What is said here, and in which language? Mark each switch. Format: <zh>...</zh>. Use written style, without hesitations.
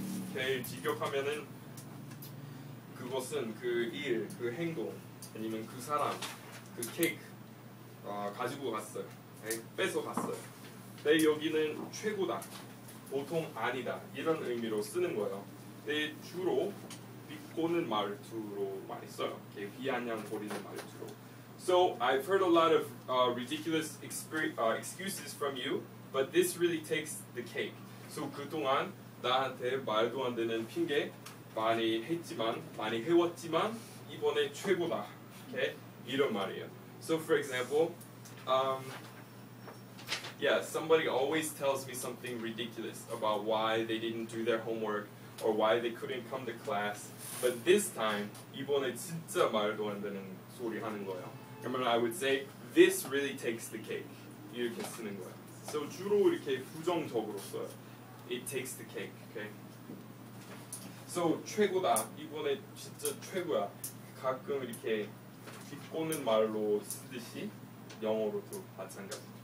<ko>Okay, 직역하면은 그것은 그 일, 그 행동, 아니면 그 사람, 그 케이크 가지고 갔어요. 뺏어갔어요. 근데 여기는 최고다, 보통 아니다 이런 의미로 쓰는 거예요. 근데 주로 비꼬는 말투로 많이 써요. 이렇게 비아냥거리는 말투로.</ko> <en>So I've heard a lot of ridiculous excuses from you, but this really takes the cake.</en> <ko>So 그동안 나한테 말도 안 되는 핑계 많이 했지만, 많이 해왔지만 이번에 최고다. 이렇게 이런 말이에요.</ko> <en>So for example, Yeah, somebody always tells me something ridiculous about why they didn't do their homework or why they couldn't come to class. But this time,</en> <ko>이번에 진짜 말도 안 되는 소리 하는 거예요. 그러면</ko> <en>I would say, this really takes the cake.</en> <ko>이렇게 쓰는 거예요. So 주로 이렇게 부정적으로 써요.</ko> <en>It takes the cake, okay? So</en> <ko>최고다. 이번에 진짜 최고야. 가끔 이렇게 비꼬는 말로 쓰듯이 영어로도 마찬가지.</ko>